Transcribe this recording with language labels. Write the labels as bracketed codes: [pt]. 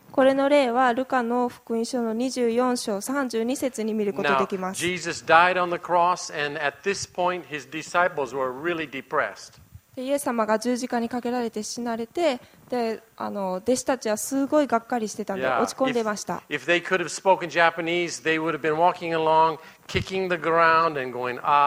[ja] これの例はルカの福音書の24章32節に見ることができます。 [en] Now, Jesus died on the cross, and at this point, his disciples were really depressed. [ja] イエス様が十字架にかけられて死なれて、であの弟子たちはすごいがっかりしてたんで、落ち込んでました。 [en] Yeah, if they could have spoken Japanese, they would have been walking along. Kicking the ground and going,